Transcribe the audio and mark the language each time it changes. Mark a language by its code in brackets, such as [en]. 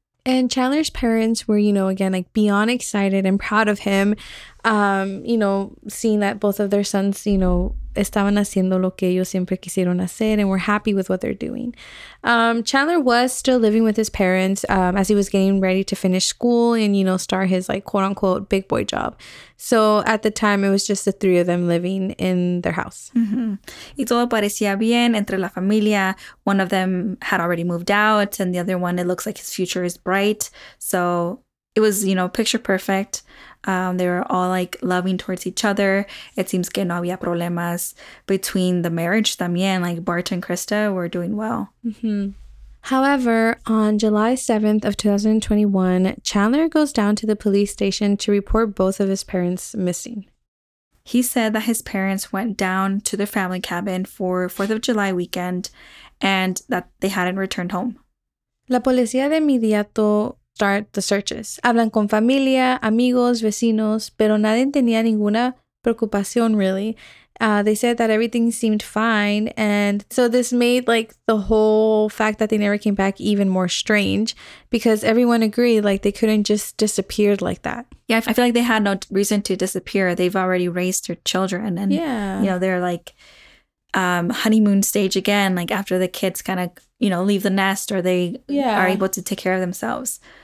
[en] And Chandler's parents were, you know, again, like beyond excited and proud of him, you know, seeing that both of their sons, you know, estaban haciendo lo que ellos siempre quisieron hacer and were happy with what they're doing. Chandler was still living with his parents as he was getting ready to finish school and, you know, start his like quote unquote big boy job. So at the time, it was just the three of them living in their house. [es] Mm-hmm. Y todo parecía bien entre la familia. [en] One of them had already moved out and the other one, it looks like his future is bright. So it was, you know, picture perfect. They were all like loving towards each other. It seems que no había problemas between the marriage también. Like Bart and Krista were doing well. Mm-hmm. However, on July 7th of 2021, Chandler goes down to the police station to report both of his parents missing. He said that his parents went down to their family cabin for 4th of July weekend and that they hadn't returned home. [es] La policía de inmediato start the searches. Hablan con familia, amigos, vecinos, pero nadie tenía ninguna preocupación, really. [en] They said that everything seemed fine. And so this made like the whole fact that they never came back even more strange because everyone agreed like they couldn't just disappear like that. Yeah, I feel like they had no reason to disappear. They've already raised their children and, You know, they're like honeymoon stage again, like after the kids kind of, you know, leave the nest or they are able to take care of themselves.